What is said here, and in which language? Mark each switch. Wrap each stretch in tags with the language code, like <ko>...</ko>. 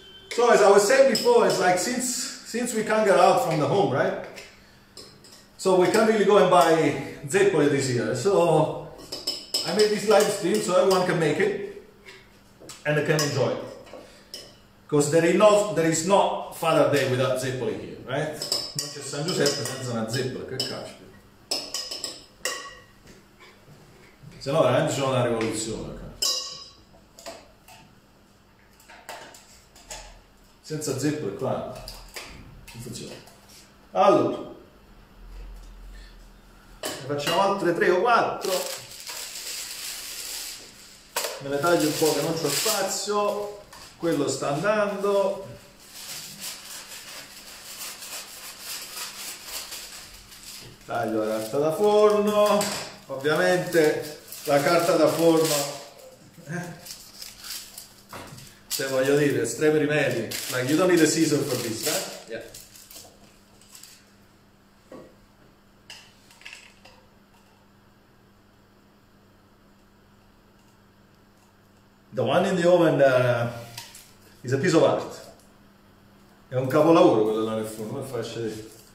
<en>So as I was saying before, it's like since we can't get out from the home, right? So we can't really go and buy zeppole this year. So I made this live stream so everyone can make it and they can enjoy it. Because there is not Father's Day without zeppole here, right?</en> <it>Non c'è San Giuseppe senza una zeppola, che caspita. Se no veramente c'è una rivoluzione. Senza zeppole qua non funziona. Allora, ne facciamo altre 3 o 4. Me le taglio un po' che non c'ho spazio. Quello sta andando. Taglio la carta da forno. Ovviamente la carta da forno, se voglio dire, estremi rimedi.</it> <en>Like, you don't need a scissor for this, right? Yeah. The one in the oven is a piece of art.</en> <it>È un capolavoro quello là nel forno, non faccio dire.</it>